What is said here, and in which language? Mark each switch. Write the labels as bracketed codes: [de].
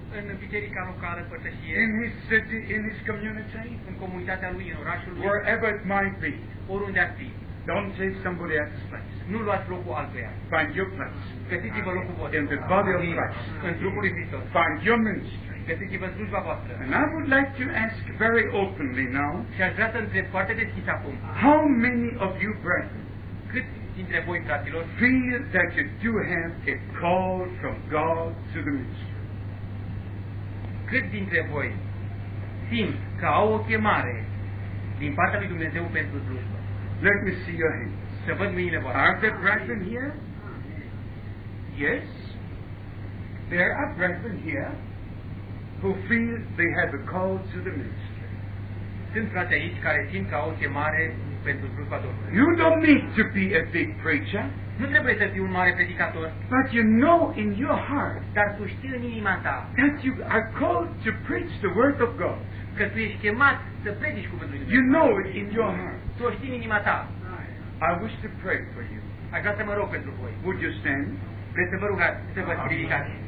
[ro] În biserica locală, părtășie. [en] In his city, in his community. [ro] În comunitatea lui, în orașul lui. [en] Wherever it might be. [ro] Oriunde ar fi. [en] Don't take somebody else's place. [ro] Nu luați locul altuia. [en] Find your place. [ro] Găsiți-vă locul vostru. [en] In the body of Christ. [ro] În trupul lui Hristos. [en] Find your ministry. [ro] Găsiți-vă slujba voastră. [en] And I would like to ask very openly now. [ro] Și aș vrea să întreb foarte deschis acum. [en] How many of you brethren? [ro] Cât dintre voi, fraților? [en] Feel that you do have a call from God to the ministry. [ro] Cât dintre voi simt că au o chemare din partea lui Dumnezeu pentru slujbă? [en] Let me see your hands. [ro] Să văd mâinile voastre. [en] Are there brethren here? Yes. There are brethren here who feel they have a call to the ministry. [ro] Sunt frate aici care simt că au o chemare pentru slujba Domnului. [en] You don't need to be a big preacher. [ro] Nu trebuie să fii un mare predicator. [en] But you know in your heart. [ro] Dar tu știi în inima ta. [en] That you are called to preach the word of God. [ro] Că tu ești chemat să predici cuvântul lui Dumnezeu. [en] You know it in your heart. [ro] Tu o știi în inima ta. [en] I wish to pray for you. [ro] Aș vrea să mă rog pentru voi. [en] Would you stand? [ro] Veți vă rugați să vă ridicați.